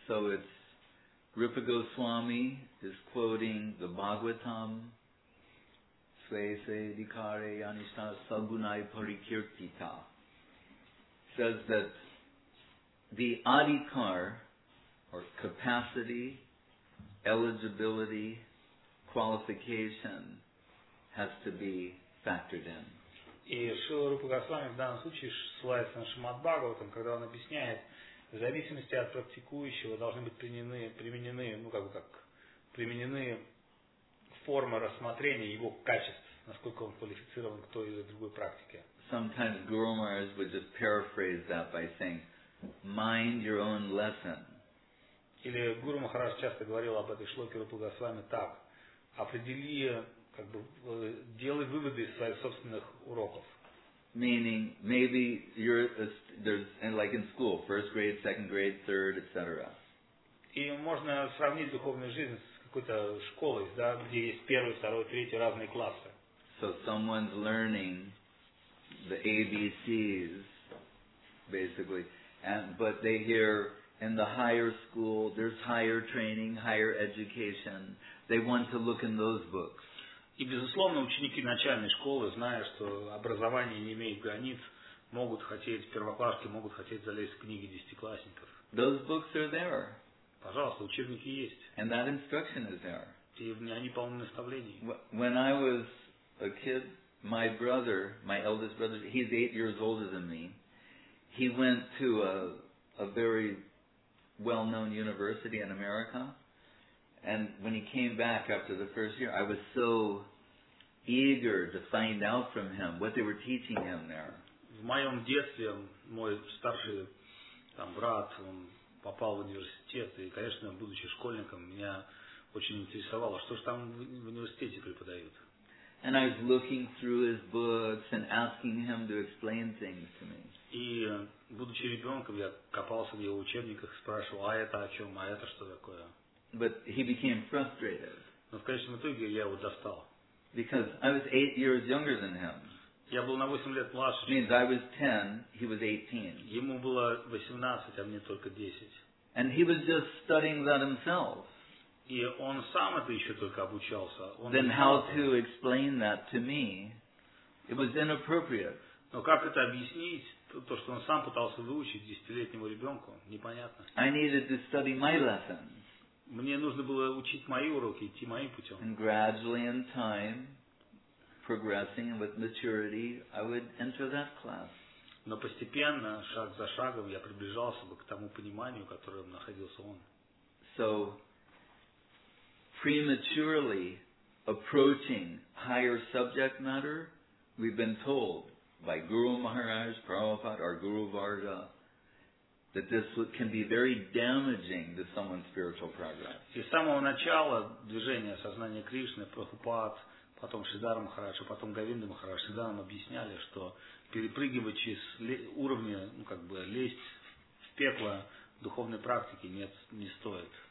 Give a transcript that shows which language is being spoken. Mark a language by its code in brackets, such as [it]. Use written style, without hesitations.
[en] So it's Rupa Goswami is quoting the Bhagavatam, [sa] Sve Se Dikare Yanishta Sagunai Parikirtita. [en] Says that the adhikar, or capacity, eligibility, qualification, has to be factored in. [ru] И Шрила Рупа Госвами в данном случае ссылается на Шримад Бхагаватам, когда он объясняет, в зависимости от практикующего должны быть применены, ну как бы как применены формы рассмотрения его качеств, насколько он квалифицирован к той или другой практике. [en] Sometimes Guru Maharaj would just paraphrase that by saying, mind your own lesson. [ru] Или Гуру Махарадж часто говорил об этой шлоке Рупа Госвами так: определи, как бы делай выводы из своих собственных уроков. [en] Meaning, maybe you're there's like in school, first grade, second grade, third, etc. [ru] И можно сравнить духовную жизнь с какой-то школой, да, где есть первый, второй, третий разные классы. [en] So someone's learning the ABCs, basically, and but they hear in the higher school there's higher training, higher education. They want to look in those books. [ru] И безусловно, ученики начальной школы, зная, что образование не имеет границ, могут хотеть, первоклассники могут хотеть залезть в книги десятиклассников. [en] Those books are there. [ru] Пожалуйста, учебники есть. [en] And that instruction is there. [ru] И они полны наставлений. [en] When I was a kid, my brother, my eldest brother, he's 8 years older than me. He went to a very well-known university in America. And when he came back after the first year, I was so eager to find out from him what they were teaching him there. [ru] В моем детстве мой старший там, брат, он попал в университет, и, конечно, будучи школьником, меня очень интересовало, что же там в университете преподают. [en] And I was looking through his books and asking him to explain things to me. [ru] И, будучи ребенком, я копался в его учебниках, спрашивал, а это о чем, а это что такое? [en] But he became frustrated. [ru] Но в конечном итоге я его достал. [en] Because I was 8 years younger than him. [ru] Я был на 8 лет младше. [en] Means I was 10, he was 18. [ru] Ему было 18, а мне только 10. [en] And he was just studying that himself. [ru] И он сам это еще только обучался. Он [en] then how to explain that to me? It was inappropriate. [ru] Но как это объяснить, то, что он сам пытался выучить 10-летнему ребенку, непонятно. [en] I needed to study my lessons. [ru] Мне нужно было учить мои уроки, идти моим путем. [en] And gradually in time, progressing with maturity, I would enter that class. [ru] Но постепенно, шаг за шагом, я приближался бы к тому пониманию, в котором находился он. [en] So, prematurely approaching higher subject matter, we've been told by Guru Maharaj, Prabhupada, or Guru Varga, that this can be very damaging to someone's spiritual progress. [ru] И с самого начала движения сознания Кришны, Прабхупад, потом Шридхара Махараджа, потом Говинда Махараджа, всегда нам объясняли, что перепрыгивать через уровни, ну как бы лезть в пекло духовной практики нет, не стоит.